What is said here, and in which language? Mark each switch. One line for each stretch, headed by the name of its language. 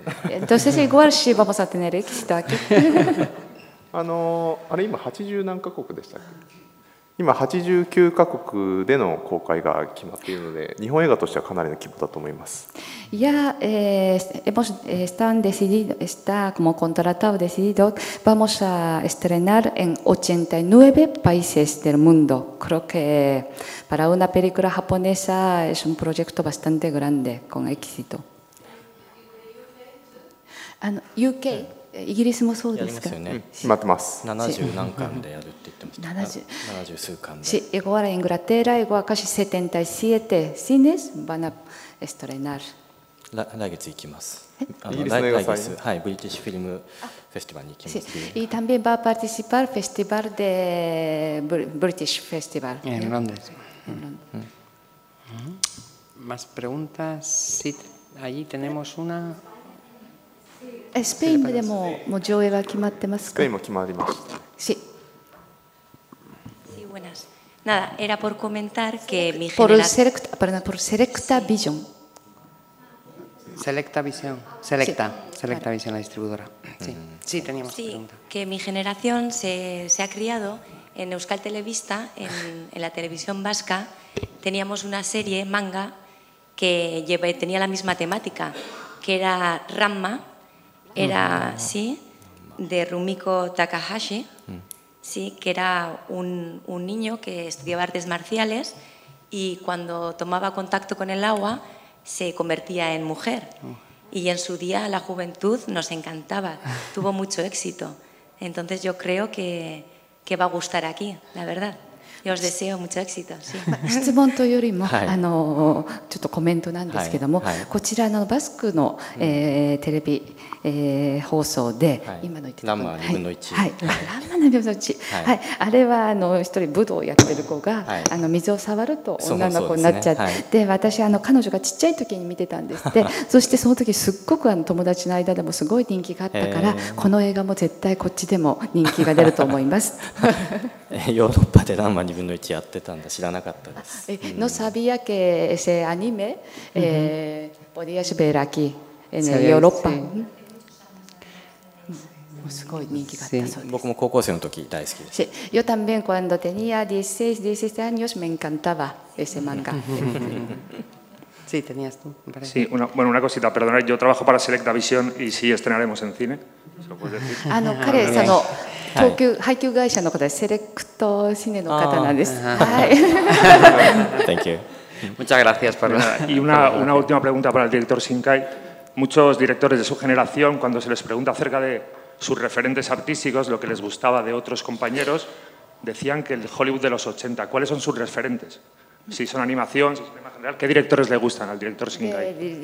Spanish: Entonces igual sí vamos a tener éxito aquí.
Japanese: あれ今80何カ国でしたっけ、今89カ国での公開が決まっているので日本映画としてはかなりの規模だと思います。
Spanish: いや、hemos están decidido, está como contratado decidido, vamos a estrenar en 89 países del mundo. Creo que para una película japonesa es un proyecto bastante grande con éxito. UK?
Japanese: イギリスもそうですか。やりますよね。待ってます。 70何巻でやるって言ってました。 70 数巻で。
Spanish: Sí, igual en Inglaterra, igual casi 77 cines van a estrenar.
Japanese: 来月行きます。来月、はい、ブリティッシュフィルムフェスティバルに行きます。
Spanish: Sí, y también va a participar festival de British festival. En Londres. ¿Más preguntas? Sí, allí tenemos una. スペインでも上映は決まってますか。スペインも決まりました。 Sí. Sí, buenas. Nada, era por comentar que mi generación. Por Selecta Vision. Selecta Vision. Selecta. Selecta Vision, la distribuidora. Sí, sí teníamos sí, pregunta. Que mi generación se ha criado en Euskal Televista, en la televisión vasca. Teníamos una serie, manga, que tenía la misma temática, que era Ranma. Era, sí, de Rumiko Takahashi, sí, que era un niño que estudiaba artes marciales y cuando tomaba contacto con el agua se convertía en mujer. Y en su día la juventud nos encantaba, tuvo mucho éxito. Entonces yo creo que va a gustar aquí, la verdad.
Japanese: 質問というよりも、はい、ちょっとコメントなんですけども、はいはい、こちらのバスクの、テレビ、放送で、はい、今の言ってたランマ2分の1、はいはい、ランマ2分の1、はいはい、あれは一人武道をやってる子が、はい、水を触ると女の子になっちゃって、ね、はい、で私彼女がちっちゃい時に見てたんですってそしてその時すっごく友達の間でもすごい人気があったからこの映画も絶対こっちでも人気が出ると思いますヨーロッパでランマ2分の1やってたんだ知らなかったです。
Spanish: No sabía que ese anime podías ver aquí en Europa.
Japanese: すごい人気があったそうです。僕も高校生の時大好きです。
Spanish: Yo también cuando tenía 16, 17 años me encantaba ese manga. Sí, tenías tú. Sí, bueno, una cosita, perdona, yo trabajo para Selecta Vision y sí estrenaremos en cine.
Japanese: 彼その東急、配給会社の方でセレクトシネの方なんです。
English: Thank you.
Spanish: Muchas gracias por nada. Y una última pregunta para el director Shinkai. Muchos directores de su generación, cuando se les pregunta acerca de sus referentes artísticos, lo que les gustaba de otros compañeros, decían que el Hollywood de los 80, ¿cuáles son sus referentes? Si son animación, si son en general, ¿qué directores le gustan al director Shinkai?